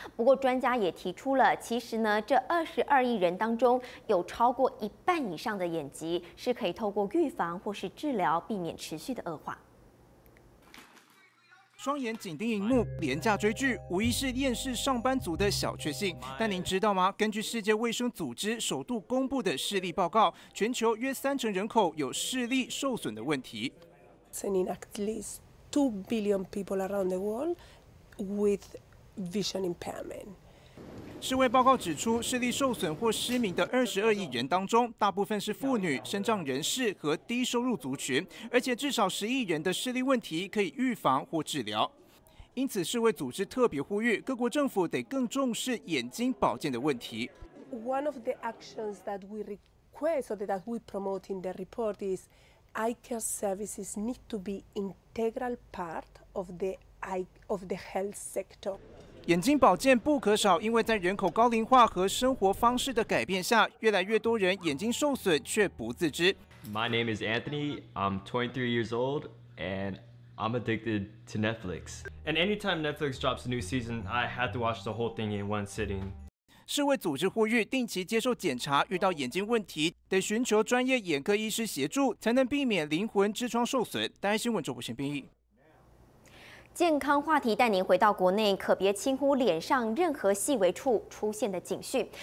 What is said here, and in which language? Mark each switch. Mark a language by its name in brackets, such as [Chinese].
[Chinese] 不过，专家也提出了，其实呢，这22亿人当中，有超过一半以上的眼疾是可以透过预防或是治疗，避免持续的恶化。双眼紧盯荧幕，廉价追剧，无疑是厌世上班族的小确幸。但您知道吗？根据世界卫生组织首度公布的视力报告，全球约30%人口有视力受损的问题。 [English] Seeing at least 2 billion people around the world with vision impairment。 [Chinese] 世卫报告指出，视力受损或失明的22亿人当中，大部分是妇女、身障人士和低收入族群，而且至少10亿人的视力问题可以预防或治疗。因此，世卫组织特别呼吁各国政府得更重视眼睛保健的问题。 [English] One of the actions that we request or that we promote in the report is eye care services need to be integral part of the eye of the health sector. [Chinese] 眼睛保健不可少，因为在人口高龄化和生活方式的改变下，越来越多人眼睛受损却不自知。 [English] My name is Anthony. I'm 23 years old, and I'm addicted to Netflix. And anytime Netflix drops a new season, I have to watch the whole thing in one sitting. [Chinese] 世卫组织呼吁定期接受检查，遇到眼睛问题得寻求专业眼科医师协助，才能避免灵魂之窗受损。大爱新闻周博贤编译。健康话题带您回到国内，可别轻忽脸上任何细微处出现的警讯。